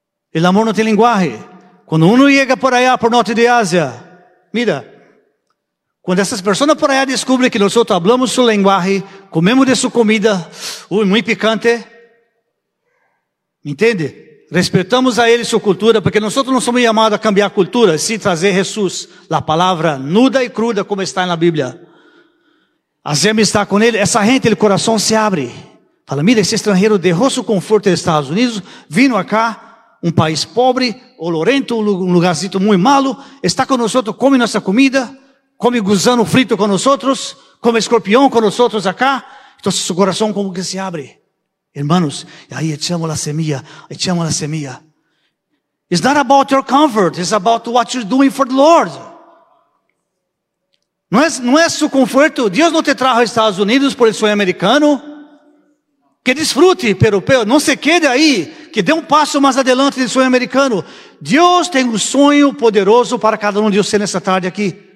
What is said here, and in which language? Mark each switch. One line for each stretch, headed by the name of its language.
Spanish: El amor no tiene lenguaje. Cuando uno llega por allá, por norte de Asia, mira, cuando esas personas por allá descubren que nosotros hablamos su lenguaje, comemos de su comida, uy, muy picante, ¿me entiende?
Portuguese: Respetamos a ele sua cultura, porque nós não somos chamados a cambiar a cultura, sim trazer Jesus, a palavra nuda e cruda, como está na Bíblia. Hacemos estar com ele, essa gente, o coração se abre. Fala, mira, esse estrangeiro derrou seu conforto nos Estados Unidos, vindo acá, um país pobre, olorento, um lugarzinho muito malo, está com nós, come nossa comida, come gusano frito com nós, come escorpião com nós acá, então seu coração como que se abre.
Spanish: Hermanos, y ahí echamos la semilla, echamos la semilla.
English: It's not about your comfort, it's about what you're doing for the Lord.
Spanish: No es su conforto. Dios no te trajo a Estados Unidos por el sueño americano. Que disfrute, pero no se quede ahí, que dé un paso más adelante del sueño americano. Dios tiene un sueño poderoso para cada uno de ustedes en esta tarde aquí.